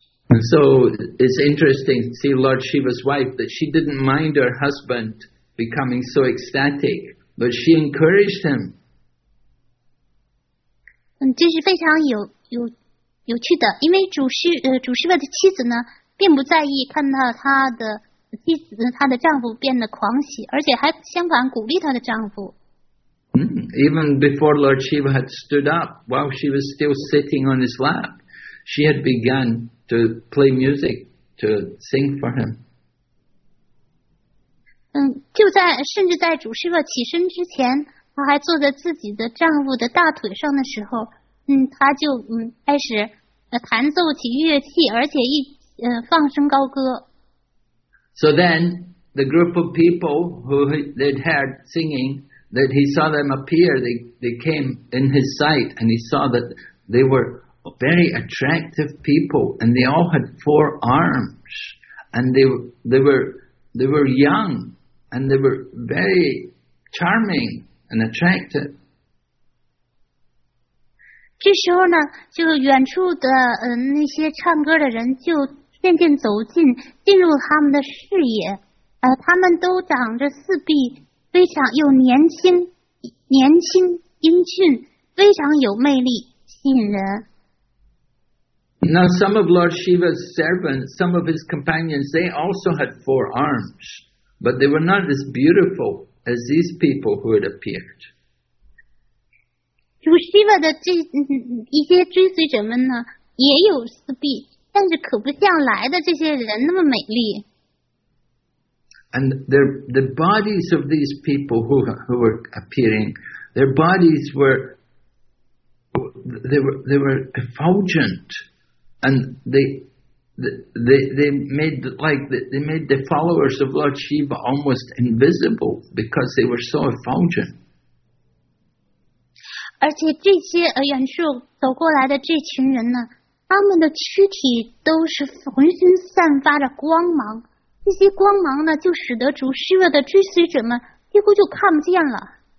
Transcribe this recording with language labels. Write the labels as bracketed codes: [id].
[en] And so it's interesting to see Lord Shiva's wife, that she didn't mind her husband becoming so ecstatic, but she encouraged him. [zh] 这是非常有趣的，因为主师傅的妻子呢，并不在意看到他的妻子、他的丈夫变得狂喜，而且还相反鼓励他的丈夫。 [en] Even before Lord Shiva had stood up, while she was still sitting on his lap, she had begun to play music, to sing for him. [zh] 就在甚至在主师傅起身之前，他还坐在自己的丈夫的大腿上的时候，他就开始弹奏起乐器，而且放声高歌。 [en] So then, the group of people who they'd heard singing, that he saw them appear, they came in his sight, and he saw that they were very attractive people, and they all had four arms, and they were young, and they were very charming and attractive. [zh] 这时候呢，就远处的那些唱歌的人就渐渐走近，进入他们的视野。他们都长着四臂，非常又年轻英俊，非常有魅力，吸引人。 [en] Now some of Lord Shiva's servants, some of his companions, they also had four arms, but they were not as beautiful as these people who had appeared. [zh] 主师傅的这一些追随者们呢，也有四臂，但是可不像来的这些人那么美丽。 [en] And the bodies of these people who were appearing, their bodies were effulgent, and they made the followers of Lord Shiva almost invisible because they were so effulgent. [zh] 而且这些远处走过来的这群人呢，他们的躯体都是浑身散发着光芒。这些光芒呢，就使得主师傅的追随者们几乎就看不见了。